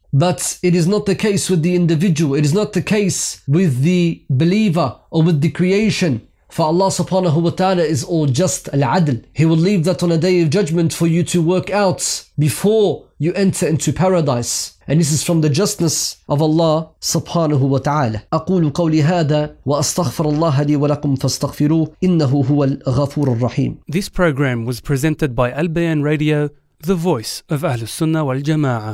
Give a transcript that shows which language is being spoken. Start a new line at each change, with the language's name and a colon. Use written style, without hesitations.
English: But it is not the case with the individual. It is not the case with the believer or with the creation. For Allah subhanahu wa ta'ala is all just al-adl. He will leave that on a day of judgment for you to work out before you enter into paradise. And this is from the justness of Allah subhanahu wa ta'ala.
Arabic: أقول قولي هذا وأستغفر الله لي ولكم فاستغفروه إنه هو الغفور الرحيم.
English: This program was presented by Al-Bayan Radio, the voice of Ahlus Sunnah wal Jama'ah.